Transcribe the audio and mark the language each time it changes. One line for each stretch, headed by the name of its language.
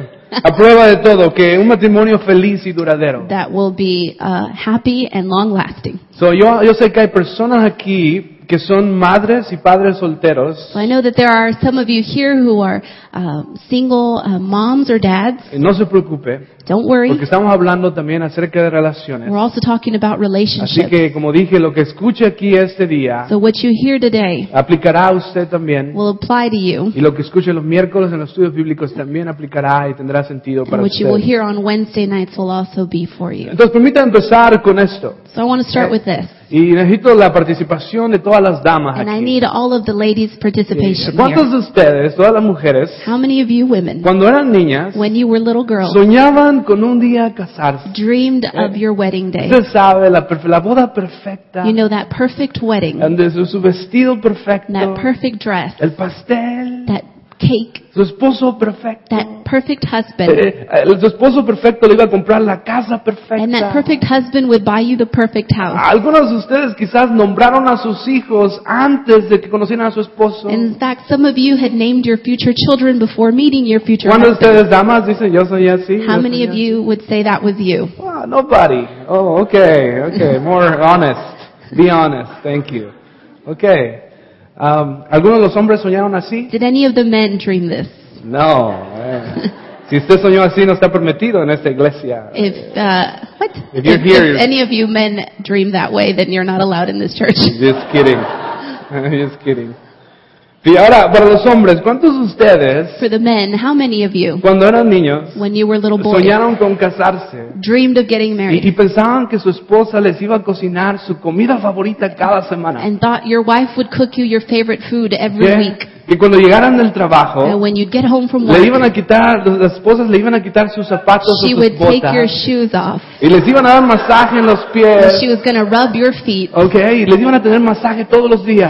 Spanish: A prueba de todo, que un matrimonio feliz y duradero.
English: That will be happy and long-lasting.
Spanish: So yo sé que hay personas aquí que son madres y padres solteros.
English: So I know that there are some of you here who are single moms or dads.
Spanish: Y no se preocupe.
English: Don't worry.
Spanish: Porque estamos hablando también acerca de relaciones.
English: We're also talking about relationships.
Spanish: Así que, como dije, lo que escuche aquí este día,
English: so what you hear today,
Spanish: aplicará a usted también.
English: Will apply to you.
Spanish: Y lo que escuche los miércoles en los estudios bíblicos también aplicará y tendrá sentido para usted.
English: What you will hear on Wednesday nights will also be for you.
Spanish: Entonces, permita empezar con esto.
English: So I want to start with this.
Spanish: Y necesito la participación de todas las damas
English: and
Spanish: aquí.
English: I need all of the ladies' participation.
Spanish: ¿Cuántos de ustedes, todas las mujeres,
English: how many of you women,
Spanish: cuando eran niñas,
English: when you were little girls,
Spanish: soñaban con un día casarse?
English: Dreamed of your wedding day.
Spanish: Usted sabe, la boda perfecta.
English: You know, that perfect wedding.
Spanish: And su vestido perfecto.
English: That perfect dress.
Spanish: El pastel.
English: That cake.
Spanish: Su esposo perfecto.
English: That perfect husband.
Spanish: Su esposo perfecto le iba a comprar la casa perfecta.
English: And that perfect husband would buy you the perfect house.
Spanish: Algunos de ustedes quizás nombraron a sus hijos antes de que conocieran a su esposo.
English: In fact, some of you had named your future children before meeting your future husband.
Spanish: ¿Cuántos de ustedes, damas, dicen yo soy así?
English: How many of you would say that was you? Well, nobody. Oh, okay. More honest. Be honest. Thank you. Okay.
Spanish: ¿Algunos de los hombres soñaron así?
English: Did any of the men dream this?
Spanish: No. Si usted soñó así, no está permitido en esta iglesia.
English: If what? If you're here, if any of you men dream that way, then you're not allowed in this church. Just kidding.
Spanish: Y ahora, para los hombres, ¿cuántos de ustedes,
English: for the men, how many of you,
Spanish: cuando eran niños,
English: when you were little boys,
Spanish: soñaron con casarse,
English: dreamed of getting married,
Spanish: y pensaban que su esposa les iba a cocinar su comida favorita cada semana,
English: and thought your wife would cook you your favorite food every week?
Spanish: Que cuando llegaran del trabajo,
English: when you'd get home from work,
Spanish: le iban a quitar, las esposas le iban a quitar sus zapatos,
English: she
Spanish: o sus
English: would
Spanish: botas,
English: take your shoes off,
Spanish: y les iban a dar masaje en los pies,
English: and she was gonna rub your feet,
Spanish: okay, y les iban a tener masaje todos los días,